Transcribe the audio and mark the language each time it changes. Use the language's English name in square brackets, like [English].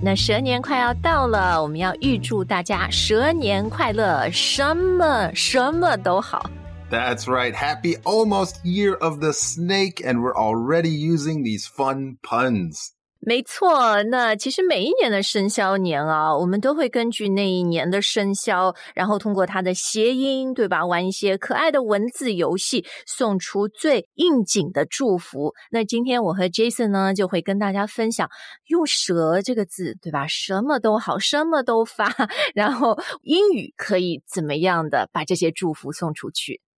[Chinese] 那蛇年快要到了，我们要预祝大家蛇年快乐，什么什么都好。 [English] That's right. Happy almost year of the snake, and we're already using these fun puns. [Chinese] 没错，那其实每一年的生肖年啊，我们都会根据那一年的生肖，然后通过它的谐音，对吧，玩一些可爱的文字游戏，送出最应景的祝福。那今天我和 Jason 呢，就会跟大家分享用蛇这个字，对吧，什么都好，什么都发，然后英语可以怎么样的把这些祝福送出去。